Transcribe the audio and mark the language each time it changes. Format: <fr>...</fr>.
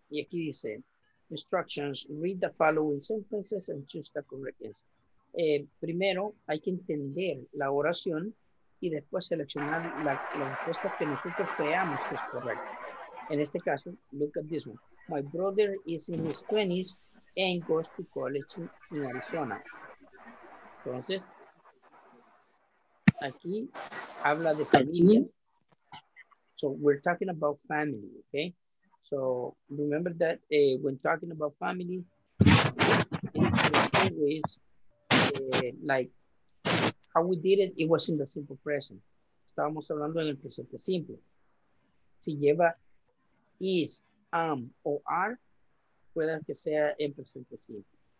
<es>Y aquí dice,</es> <en>instructions, read the following sentences and choose the correct answer.</en> <es>Primero, hay que entender la oración y después seleccionar la respuesta que nosotros creamos que es correcta. En este caso,</es> <en>look at this one. My brother is in his 20s and goes to college in Arizona.</en> <es>Entonces, aquí habla de familia.</es> <en>So we're talking about family, okay? So remember that when talking about family, it's always like how we did it, it was in the simple present.</en> <es>Estábamos hablando en el presente simple. Si lleva is, o are, pueda que sea en presente simple.</es>